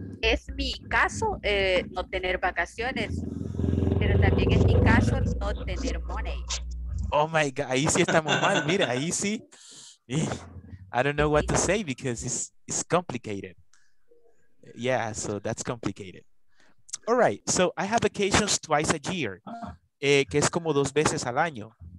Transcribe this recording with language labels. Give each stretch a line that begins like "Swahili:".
Spanish: Es mi caso no tener vacaciones, pero también es mi caso no tener money.
English: Oh my God,
Spanish: ahí sí estamos mal. Mira, ahí sí.
English: I don't know what to say because it's complicated. Yeah, so that's complicated. All right, so I have vacations twice a year,
Spanish: que es como dos veces al año.